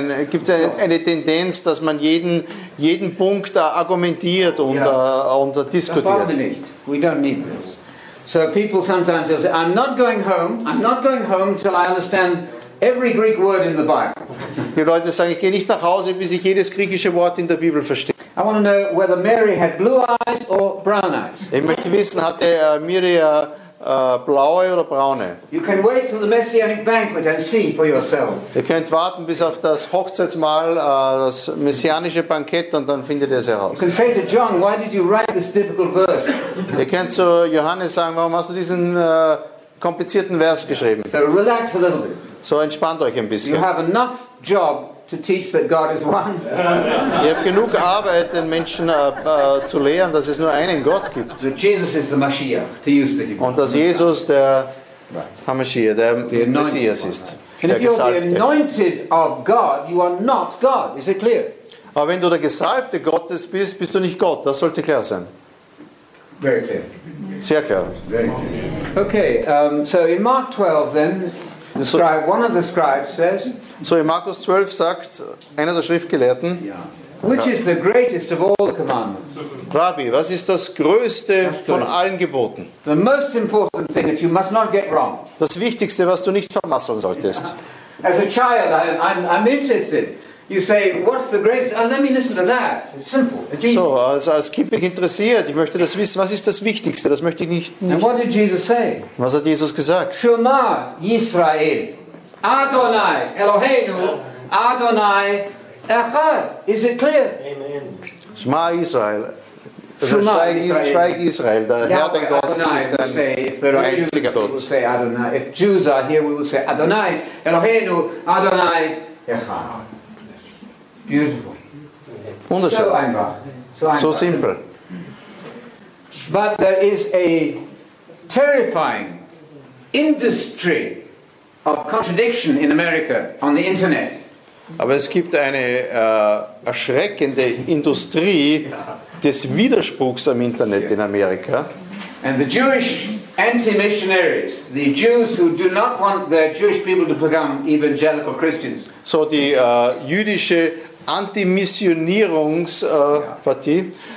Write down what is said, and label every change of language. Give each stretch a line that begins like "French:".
German: Gibt es eine Tendenz, dass man jeden Punkt da argumentiert und und diskutiert.
English: We don't need this. So people sometimes will say, I'm not going home. I'm not going home till I understand every Greek word in the Bible.
German: Die Leute sagen, ich gehe nicht nach Hause, bis ich jedes griechische Wort in der Bibel verstehe.
English: I want to know whether Mary had blue eyes or brown eyes.
German: Ich möchte wissen, hatte Maria blaue oder braune?
English: You can wait till the messianic banquet and see for yourself.
German: Ihr könnt warten bis auf das Hochzeitsmahl, das messianische Bankett, und dann findet ihr es heraus.
English: You can say to John, why did you write this difficult verse?
German: Ihr könnt zu Johannes sagen, warum hast du diesen komplizierten Vers geschrieben?
English: So relax a little bit.
German: So entspannt euch ein bisschen.
English: You have enough job to teach that God is one.
German: Ihr habt genug Arbeit, den Menschen zu lehren, dass es nur einen Gott gibt.
English: So Jesus is the Mashiach, to use the Hebrew.
German: Und dass Jesus der Hamashiach, der Messias ist.
English: And if you're the anointed of God, you are not God. Is it clear?
German: Aber wenn du der Gesalbte Gottes bist, bist du nicht Gott. Das sollte klar sein.
English: Very clear.
German: Sehr klar.
English: Very clear. Okay, so in Mark 12 then, the scribe, one of the scribes says,
German: so in Markus 12 sagt einer der Schriftgelehrten,
English: which is the greatest of all the commandments?
German: Rabbi, was ist das größte von allen Geboten?
English: The most important thing that you must not get wrong.
German: Das Wichtigste, was du nicht vermasseln solltest.
English: As a child, I'm interested. You say, what's the greatest? And let me listen to that. It's simple. It's easy.
German: So, als Kind bin ich interessiert. Ich möchte das wissen. Was ist das Wichtigste? Das möchte ich nicht.
English: And what did Jesus say?
German: Was hat Jesus gesagt?
Hebrew: Shema Yisrael, Adonai Eloheinu, Adonai Echad.
English: Is it clear? Amen.
Hebrew: Shema Yisrael.
German: Schweig Israel, der Herr, dein Gott, Adonai, ist dein einziger Gott.
English: We will say Adonai. If Jews are here, we will say
Hebrew: Adonai Eloheinu, Adonai Echad.
English: Beautiful.
German: Wunderschön. So einfach. So simpel.
English: But there is a terrifying industry of contradiction in America on the internet.
German: Aber es gibt eine erschreckende Industrie des Widerspruchs am Internet in Amerika.
English: And the Jewish anti-missionaries, the Jews who do not want their Jewish people to become evangelical Christians.
German: So die jüdische Anti-Missionierungspartie.